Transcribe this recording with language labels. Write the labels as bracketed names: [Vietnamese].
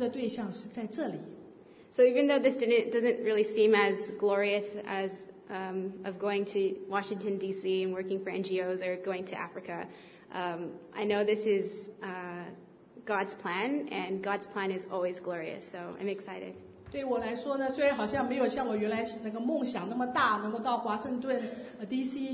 [Chinese] 所以我就很清楚知道我要服侍的对象是在这里。So [English] even though this doesn't really seem as glorious as of going to Washington D.C. and working for NGOs or going to Africa, I know this is God's plan, and God's plan is always glorious. So I'm excited. [Chinese] 对我来说呢，虽然好像没有像我原来那个梦想那么大，能够到华盛顿 D.C.